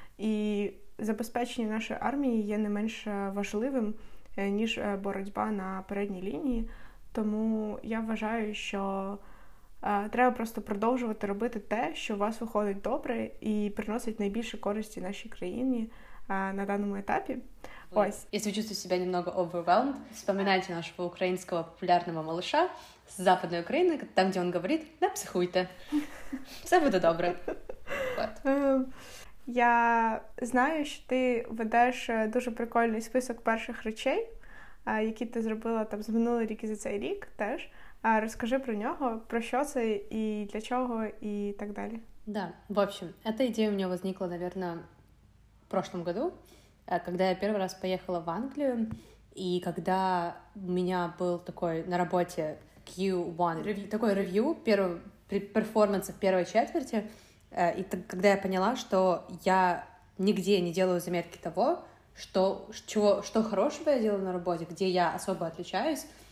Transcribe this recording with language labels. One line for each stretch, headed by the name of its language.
Ukrainian: І забезпечення нашої армії є не менш важливим, ніж боротьба на передній лінії. Тому я вважаю, що треба просто продовжувати робити те, що у вас виходить добре і приносить найбільше користі нашій країні на даному етапі. Ось.
Russian: Если вы чувствуете себя немного overwhelmed, вспоминайте нашего украинского популярного малыша с Западной Украины, там, где он говорит, да, психуйте. Все будет добре. Вот.
Ukrainian: Я знаю, що ти ведеш дуже прикольний список перших речей, які ти зробила там з минулий рік і за цей рік теж. Розкажи про нього, про що це і для чого, і так далі.
Russian: Да, в общем, эта идея у меня возникла, наверное, в прошлом году. Когда я первый раз поехала в Англию, и когда у меня был такой на работе Q1, такой ревью, перформанс в первой четверти, и когда я поняла, что я нигде не делаю заметки того, что хорошего я делаю на работе, где я особо отличаюсь,